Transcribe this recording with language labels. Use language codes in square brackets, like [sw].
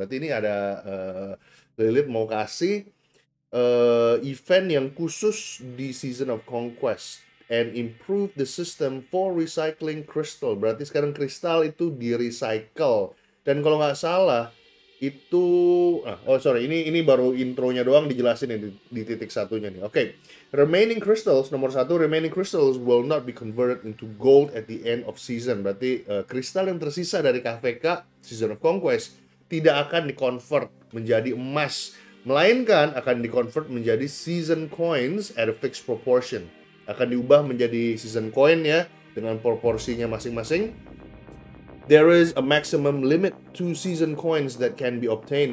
[id] Berarti ini ada Lilith mau kasih event yang khusus di Season of Conquest [en] and improve the system for recycling crystal. [id] Berarti sekarang kristal itu di recycle, dan kalau nggak salah itu ini baru intronya doang dijelasin ya di titik satunya nih. Oke, okay. [en] Remaining crystals, [id] nomor 1, [en] remaining crystals will not be converted into gold at the end of season. [id] Berarti kristal yang tersisa dari KVK Season of Conquest tidak akan di-convert menjadi emas, melainkan akan di-convert menjadi season coins [en] at a fixed proportion. [id] Akan diubah menjadi season coin ya, dengan proporsinya masing-masing. [en] There is a maximum limit to season coins that can be obtained.